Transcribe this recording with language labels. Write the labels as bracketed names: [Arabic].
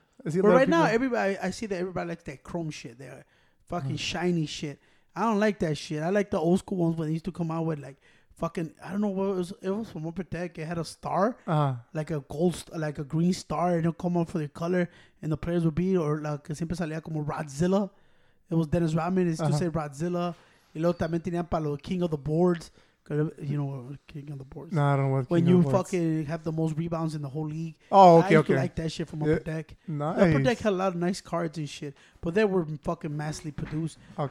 [English] But right now, I see that everybody likes that chrome shit. That fucking shiny shit. I don't like that shit. I like the old school ones when they used to come out with like fucking, I don't know what it was. It was from Upper Deck. It had a star, like a gold, like a green star, and it'll come out for the color and the players would be, or like, [Spanish] siempre salía como [English] Rodzilla. It was Dennis Rodman. It used to say Rodzilla. [Spanish] Y luego también tenían para los King of the Boards. [English] You know what, King of the Boards. No, I don't know what. When you fucking have the most rebounds in the whole league. Oh, okay, okay. I like that shit from Upper Deck. Nice. Upper Deck had a lot of nice cards and shit, but they were fucking massively produced. Okay.